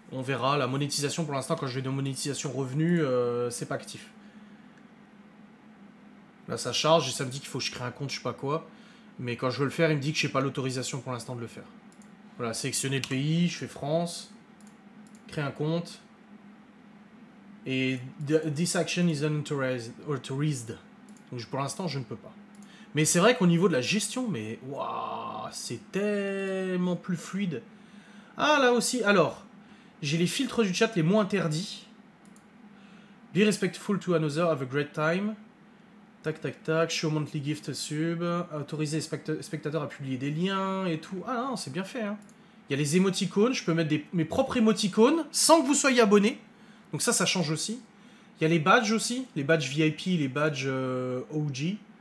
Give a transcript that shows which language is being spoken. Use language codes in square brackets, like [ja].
[fr] On verra, la monétisation pour l'instant, quand je vais de monétisation revenu, c'est pas actif. Là, ça charge et ça me dit qu'il faut que je crée un compte, je sais pas quoi. Mais quand je veux le faire, il me dit que j'ai pas l'autorisation pour l'instant de le faire. Voilà, sélectionner le pays, je fais France, crée un compte. [en] Et this action is unauthorized. [fr] Donc pour l'instant, je ne peux pas. Mais c'est vrai qu'au niveau de la gestion, mais waouh, c'est tellement plus fluide. Ah, là aussi, alors, j'ai les filtres du chat les moins interdits. [en] Be respectful to another, have a great time. [fr] Tac, tac, tac, [en] show monthly gift sub. [fr] Autoriser les spectateurs à publier des liens et tout. Ah non, c'est bien fait. Hein. Il y a les émoticônes, je peux mettre mes propres émoticônes sans que vous soyez abonné. Donc ça, ça change aussi. Il y a les badges aussi, les badges VIP, les badges OG.